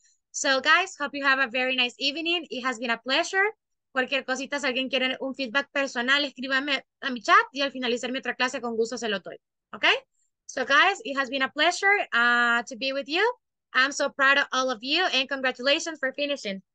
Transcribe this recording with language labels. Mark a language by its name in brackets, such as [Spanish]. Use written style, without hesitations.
[English] So guys, hope you have a very nice evening. It has been a pleasure. [Spanish] Cualquier cosita, si alguien quiere un feedback personal, escríbame a mi chat y al finalizar mi otra clase con gusto se lo doy. [English] Okay? So guys, it has been a pleasure to be with you. I'm so proud of all of you and congratulations for finishing.